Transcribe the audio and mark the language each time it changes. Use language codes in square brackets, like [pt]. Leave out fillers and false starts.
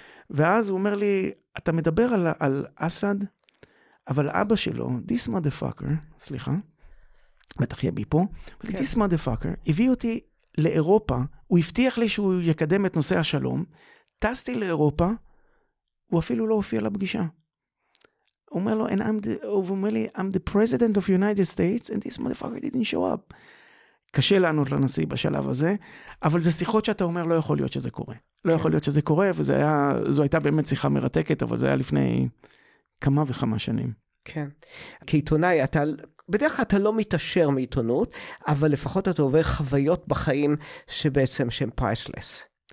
[he] ואז הוא אומר לי, אתה מדבר על אסד, אבל אבא שלו, [en] this motherfucker, [he] סליחה, בטח יהיה בי פה, okay. [en] this motherfucker, [he] הביא אותי לאירופה, הוא הבטיח לי שהוא יקדם את נושא השלום, טסתי לאירופה, הוא אפילו לא הופיע לפגישה. הוא אומר לו, [en] I'm the president of the United States, and this motherfucker didn't show up. [he] קשה לענות לנשיא בשלב הזה, אבל זה שיחות שאתה אומר, לא יכול להיות שזה קורה. לא יכול להיות שזה קורה, וזו הייתה באמת שיחה מרתקת, אבל זה היה לפני כמה וכמה שנים. כן. כעיתונאי, בדרך כלל אתה לא מתעשר מעיתונות, אבל לפחות אתה עובר חוויות בחיים שבעצם שהן פרייסלס.